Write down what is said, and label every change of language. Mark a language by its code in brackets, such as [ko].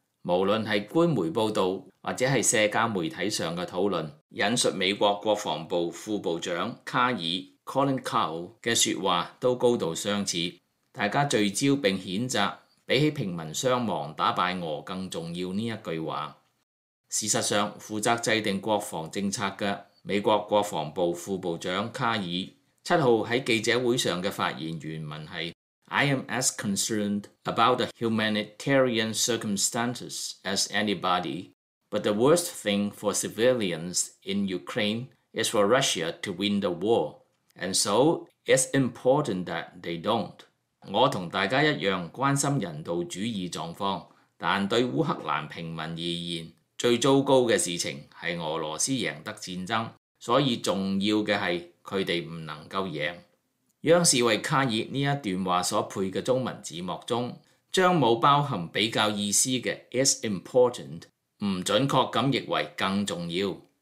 [zh] 無論是官媒報導或者是社交媒體上的討論，引述美國國防部副部長卡爾 Colin Cowell 的說話都高度相似，大家聚焦並譴責比起平民傷亡打敗俄更重要這一句話。事實上，負責制定國防政策的美國國防部副部長卡爾7號在記者會上的發言原文是 [en] I am as concerned about the humanitarian circumstances as anybody, but the worst thing for civilians in Ukraine is for Russia to win the war, and so it's important that they don't. [zh] 我和大家一樣關心人道主義狀況，但對烏克蘭平民而言，最糟糕的事情是俄羅斯贏得戰爭，所以重要的是他們不能夠贏。央視為卡爾這一段話所配的中文字幕中，將沒有包含比較意思的 [en] is important [zh] 不準確地譯為更重要。